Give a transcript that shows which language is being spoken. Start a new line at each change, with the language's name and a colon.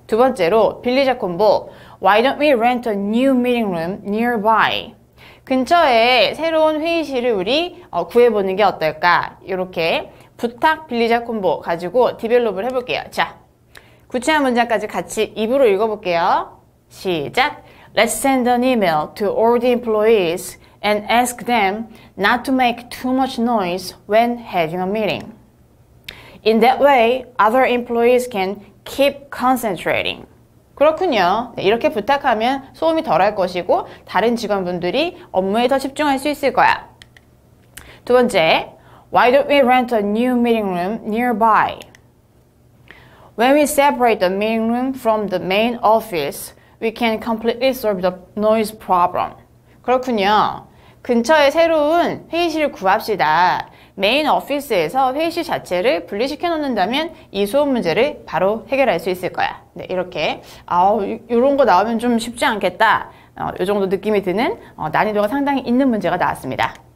Korean: 두 번째로 빌리자 콤보
English: Why don't we rent a new meeting room nearby?
Korean: 근처에 새로운 회의실을 우리 구해보는 게 어떨까? 이렇게 부탁 빌리자 콤보 가지고 디벨롭을 해볼게요. 자, 구체한 문장까지 같이 입으로 읽어볼게요. 시작!
English: Let's send an email to all the employees and ask them not to make too much noise when having a meeting. In that way, other employees can keep concentrating.
Korean: 그렇군요. 이렇게 부탁하면 소음이 덜할 것이고 다른 직원분들이 업무에 더 집중할 수 있을 거야. 두 번째,
English: Why don't we rent a new meeting room nearby? When we separate the meeting room from the main office, we can completely solve the noise problem.
Korean: 그렇군요. 근처에 새로운 회의실을 구합시다. 메인 오피스에서 회의실 자체를 분리시켜 놓는다면 이 소음 문제를 바로 해결할 수 있을 거야. 네, 이렇게 이런 거 나오면 좀 쉽지 않겠다. 이 정도 느낌이 드는 난이도가 상당히 있는 문제가 나왔습니다.